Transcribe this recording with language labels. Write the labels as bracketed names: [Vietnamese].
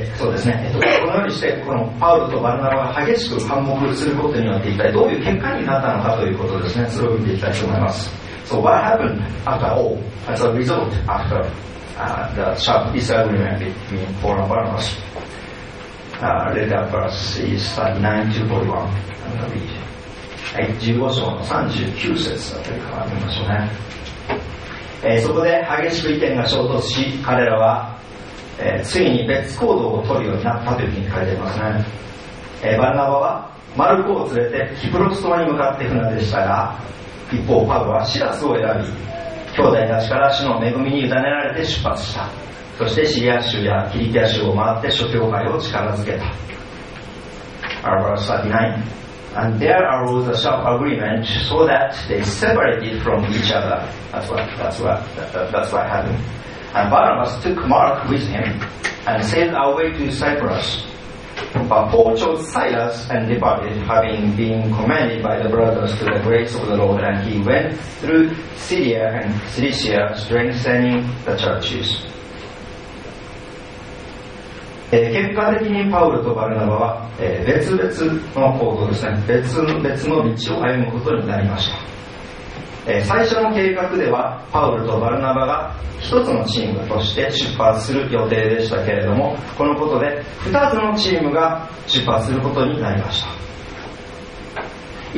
[Japanese] そうですね、このようにして、このパウロとバルナバが激しく反目することによって、一体どういう結果になったのかということですね、それを見ていきたいと思います。 [English] So what happened after all, as a result after the sharp disagreement between Paul and Barnabas? Later verse is 39 to 41. [Japanese] はい、15章の39節あたりから見ましょうね、そこで激しく意見が衝突し彼らは、ついに別行動を取るようになったというふうに書いてますね、バルナバはマルコを連れてキプロス島に向かって船でしたが、一方パウロはシラスを選び兄弟たちから主の恵みに委ねられて出発した。そしてシリア州やキリキア州を回って諸教会を力づけた。 [English] And there arose a sharp agreement so that they separated from each other. That's what happened. And Barnabas took Mark with him and sailed away to Cyprus. But Paul chose Silas and departed, having been commended by the brothers to the grace of the Lord, and he went through Syria and Cilicia, strengthening the churches. [Japanese] 結果的にパウロとバルナバは別々の行動ですね、別々の道を歩むことになりました。最初の計画ではパウロとバルナバが一つのチームとして出発する予定でしたけれども、このことで二つのチームが出発することになりました。